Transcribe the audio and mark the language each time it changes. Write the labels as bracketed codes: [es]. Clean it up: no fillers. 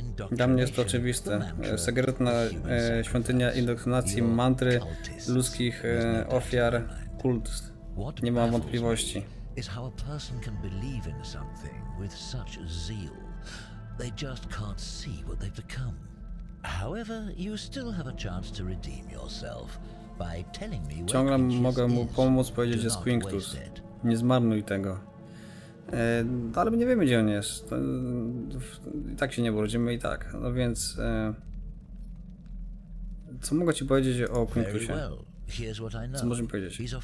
[pl] Dla mnie jest to oczywiste. Sekretna świątynia indoktrynacji, mantry ludzkich ofiar, kult. Nie mam wątpliwości. [en] Is how a person can believe in something with such zeal. They just can't see what they've become. However, you still have a chance to redeem yourself by telling me where Quinctus is. [pl] Mogę mu pomóc powiedzieć, że jest Quinctus. Nie zmarnuj tego. Ale my nie wiemy, gdzie on jest. I tak się nie urodzimy i tak. No więc... co mogę ci powiedzieć o Quinctusie? Co możemy powiedzieć?